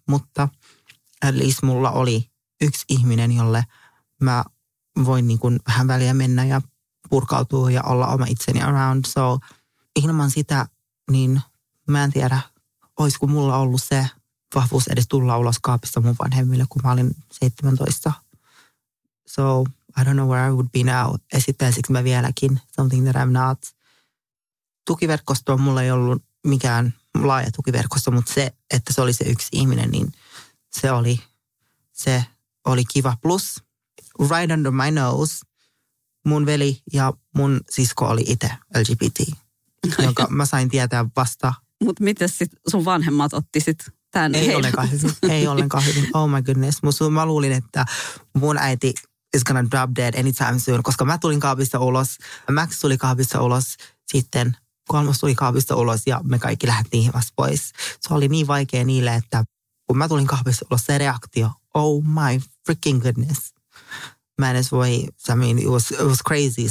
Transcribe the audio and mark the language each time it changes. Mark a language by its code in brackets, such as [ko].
[fi] Mutta [en] at least [fi] mulla oli yksi ihminen, jolle mä voin niin kuin vähän väliä mennä ja purkautua ja olla oma itseni around. So ilman sitä, niin mä en tiedä, olisiko mulla ollut se vahvuus edes tulla ulos kaapista mun vanhemmille, kun mä olin 17. [en] So I don't know where I would be now. [fi] Esittäisikö mä vieläkin [en] something that I'm not. [fi] Tukiverkosto on mulla ei ollut mikään laaja tukiverkosto, mutta se, että se oli se yksi ihminen, niin se oli kiva. [en] Plus, right under my nose, [fi] mun veli ja mun sisko oli itse LGBT, jonka mä sain tietää vasta. Mutta mitäs sit sun vanhemmat otti sit tän? Ei ollenkaan hyvin. [en] Oh my goodness. [fi] Mä luulin, että mun äiti [en] is gonna drop dead anytime soon, [fi] koska mä tulin kaapista ulos, Max tuli kaapista ulos, sitten kolmas tuli kaapista ulos ja me kaikki lähdettiin vasta pois. Se oli niin vaikea niille, että kun mä tulin kaapista ulos, se reaktio, [en] oh my freaking goodness. [fi] Mä en edes voi, [en] I mean, it was crazy.